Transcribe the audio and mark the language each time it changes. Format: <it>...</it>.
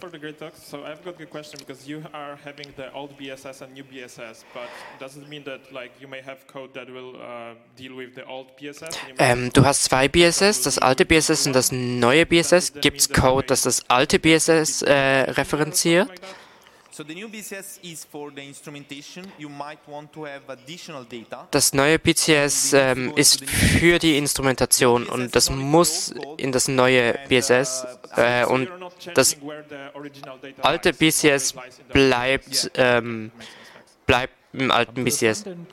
<en>Thanks for the great talk. So I've got a question, because you are having the old BSS and new BSS, but doesn't mean that like you may have code that will deal with the old BSS.</en> <de>Du hast zwei BSS, das alte BSS und das neue BSS. Gibt's Code, dass das alte BSS referenziert?</de> <en>So the new BSS is for the instrumentation. You might want to have additional data.</en> <de>Das neue BSS ist für die Instrumentation, und das muss in das neue BSS, und das alte BSS bleibt im alten BSS.</de>